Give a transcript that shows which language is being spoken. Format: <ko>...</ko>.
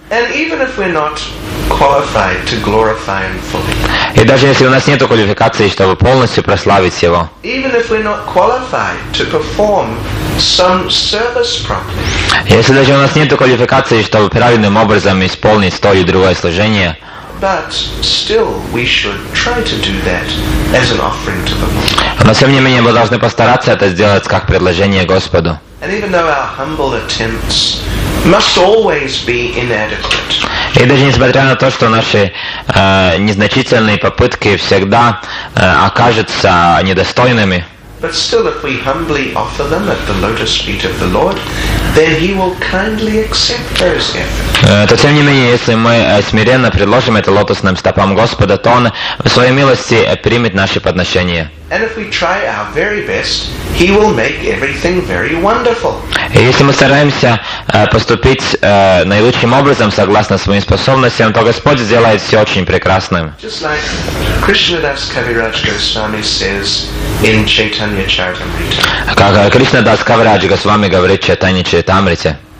<en>And even if we're not qualified to glorify Him fully.</en> <ru>И даже если у нас нету квалификации, чтобы полностью прославить Его.</ru> <en>Even if we're not qualified to perform some service properly.</en> <ru>Если даже у нас нету квалификации, чтобы правильным образом исполнить то или другое служение.</ru> <en>But still, we should try to do that as an offering to the Lord.</en> <ru>Но тем не менее мы должны постараться это сделать как предложение Господу.</ru> <en>And even though our humble attempts must always be inadequate.</en> <ru>И даже несмотря на то, что наши незначительные попытки всегда окажутся недостойными.</ru> <en>But still, if we humbly offer them at the lotus feet of the Lord, then He will kindly accept those efforts.</en> <ru>То тем не менее, если мы смиренно предложим это лотосным стопам Господа, то Он в своей милости примет наши подношения.</ru> <en>And if we try our very best, He will make everything very wonderful.</en> <ru>И если мы стараемся поступить наилучшим образом, согласно своим способностям, то Господь сделает все очень прекрасным.</ru> <en>Just like Krishnadas Kaviraj Goswami says in Chaitanya Charitamrita.</en> <ru>Как Кришнадас Кавирадж Госвами говорит в Чайтанье Чаритамрите.</ru>